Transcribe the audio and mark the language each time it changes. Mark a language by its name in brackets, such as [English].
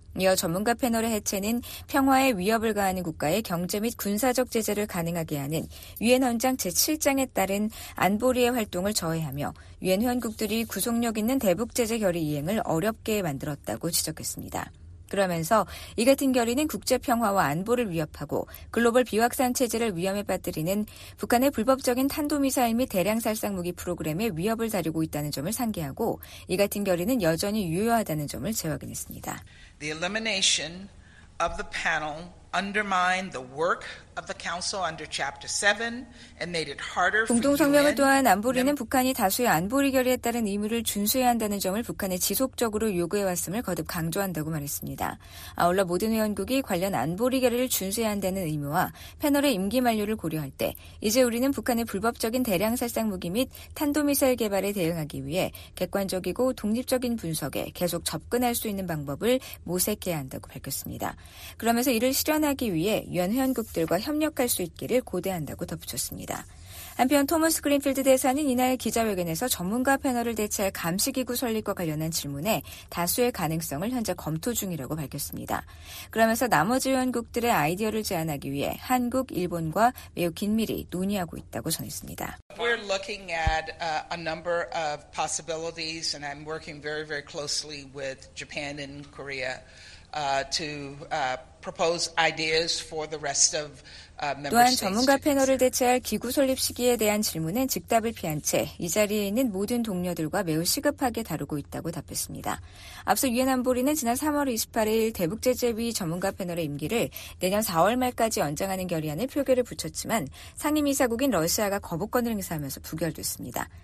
[Korean] 이어 전문가 패널의 해체는 평화에 위협을 가하는 국가의 경제 및 군사적 제재를 가능하게 하는 유엔 헌장 제7장에 따른 안보리의 활동을 저해하며 유엔 회원국들이 구속력 있는 대북 제재 결의 이행을 어렵게 만들었다고 지적했습니다. 그러면서 이 같은 결의는 국제 평화와 안보를 위협하고 글로벌 비확산 체제를 위험에 빠뜨리는 북한의 불법적인 탄도미사일 및 대량 살상 무기 프로그램에 위협을 가리고 있다는 점을 상기하고 이 같은 결의는 여전히 유효하다는 점을 재확인했습니다. [English] The elimination of the panel undermined the work of the council under chapter 7 and made it harder for [Korean] 공동성명을 또한 안보리는 북한이 다수의 안보리 결의에 따른 의무를 준수해야 한다는 점을 북한에 지속적으로 요구해 왔음을 거듭 강조한다고 말했습니다. 아울러 모든 회원국이 관련 안보리 결의를 준수해야 한다는 의무와 패널의 임기 만료를 고려할 때 이제 우리는 북한의 불법적인 대량 살상 무기 및 탄도 미사일 개발에 대응하기 위해 객관적이고 독립적인 분석에 계속 접근할 수 있는 방법을 모색해야 한다고 밝혔습니다. 그러면서 이를 실현하기 위해 유엔 회원국들과 협력할 수 있기를 고대한다고 덧붙였습니다. 한편 토머스 그린필드 대사는 이날 기자회견에서 전문가 패널을 대체할 감시기구 설립과 관련한 질문에 다수의 가능성을 현재 검토 중이라고 밝혔습니다. 그러면서 나머지 회원국들의 아이디어를 제안하기 위해 한국, 일본과 매우 긴밀히 논의하고 있다고 전했습니다. [English] We're looking at a number of possibilities and I'm working very, very closely with Japan and Korea to propose ideas for the rest of [Korean] 또한 전문가 패널을 대체할 기구 설립 시기에 대한 질문은 즉답을 피한 채 이 자리에 있는 모든 동료들과 매우 시급하게 다루고 있다고 답했습니다. 앞서 유엔 안보리는 지난 3월 28일 대북 제재위 전문가 패널의 임기를 내년 4월 말까지 연장하는 결의안에 표결을 붙였지만 상임이사국인 러시아가 거부권을 행사하면서 부결됐습니다.